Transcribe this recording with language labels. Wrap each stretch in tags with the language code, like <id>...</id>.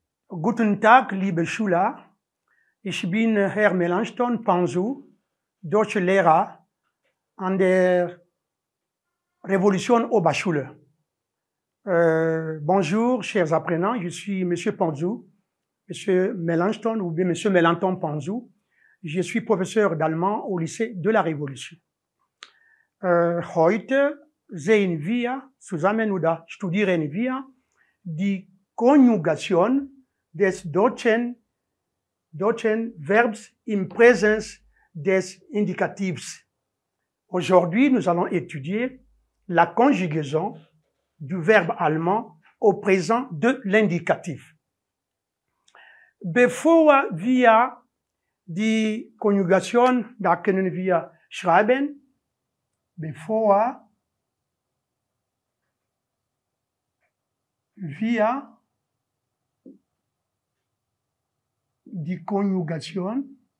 <de>Guten Tag, liebe Schüler. Ich bin Herr Melanchthon Panzu, Deutschlehrer an der Revolution Oberschule.</de> <fr>Bonjour, chers apprenants. Je suis Monsieur Panzu, Monsieur Melanchthon ou bien Monsieur Melanchthon Panzu. Je suis professeur d'allemand au lycée de la Révolution.</fr> <de>Heute sehen wir zusammen oder studieren wir die Konjugation des deutschen Verbs in Präsens des Indikativs.</de> <fr>Aujourd'hui, nous allons étudier la conjugaison du verbe allemand au présent de l'indicatif.</fr> <de>Bevor wir die Konjugation, da können wir schreiben, bevor wir die Konjugation</de>